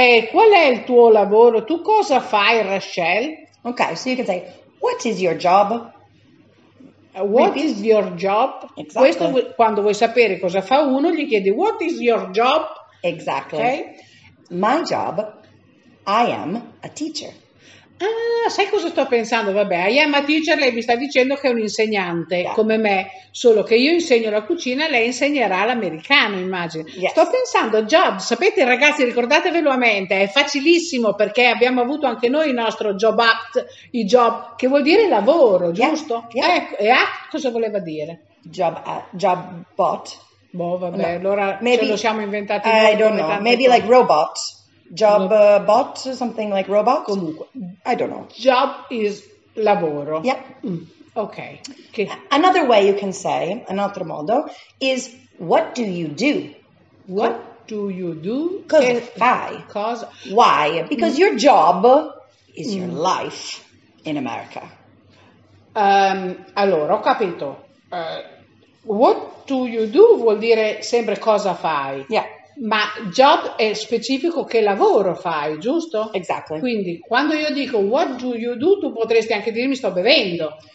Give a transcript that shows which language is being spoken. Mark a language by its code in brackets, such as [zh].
[it] Qual è il tuo lavoro? Tu cosa fai, Rachel? [en] Ok, so you can say, what is your job? What Maybe. Is your job? Exactly. [it] Questo quando vuoi sapere cosa fa uno, gli chiedi [en] what is your job? Exactly. Okay? My job, I am a teacher. [it] Ah, sai cosa sto pensando? Vabbè, [en] I am a teacher, [it] lei mi sta dicendo che è un insegnante, yeah. Come me, solo che io insegno la cucina, lei insegnerà l'americano, immagino. [en] Yes. [it] Sto pensando, job, sapete ragazzi, ricordatevelo a mente, è facilissimo perché abbiamo avuto anche noi il nostro job act, i job, che vuol dire lavoro, giusto? [en] Yeah. Yeah. [it] E act cosa voleva dire? [en] Job bot. [it] Boh, vabbè, no. Allora maybe, ce lo siamo inventati. [en] I don't know, maybe come. Like robot. Job bot, something like robot? [it] Comunque, [en] I don't know. Job is lavoro. Yep. Okay. Another way you can say, [it] un altro modo, [en] is what do you do? What do you do? [it] Cosa fai? Cosa? [en] Why? Because your job is your life in America. [it] Allora, ho capito. [en] What do you do [it] vuol dire sempre cosa fai? [en] Yeah. [it] Ma job è specifico che lavoro fai, giusto? [en] Exactly. [it] Quindi, quando io dico [en] what do you do, [it] tu potresti anche dirmi sto bevendo.